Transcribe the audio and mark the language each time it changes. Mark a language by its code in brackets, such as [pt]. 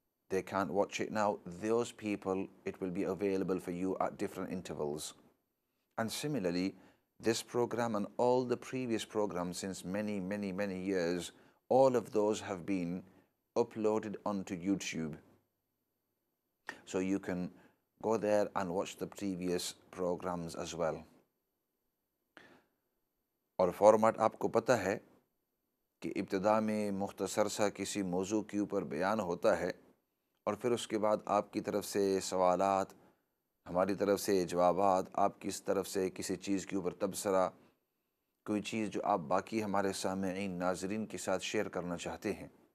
[en] they can't watch it now those people it will be available for you at different intervals and similarly This program and all the previous programs since many, many, many years, all of those have been uploaded onto YouTube. So you can go there and watch the previous programs as well. [ur] اور format آپ کو پتہ ہے کہ ابتدا میں مختصر سا کسی موضوع کے اوپر بیان ہوتا ہے اور پھر اس کے بعد آپ کی طرف سے سوالات ہماری طرف سے جوابات آپ کس طرف سے کسی چیز کے اوپر تبصرہ کوئی چیز جو آپ باقی ہمارے سامعین ناظرین کے ساتھ شیئر کرنا چاہتے ہیں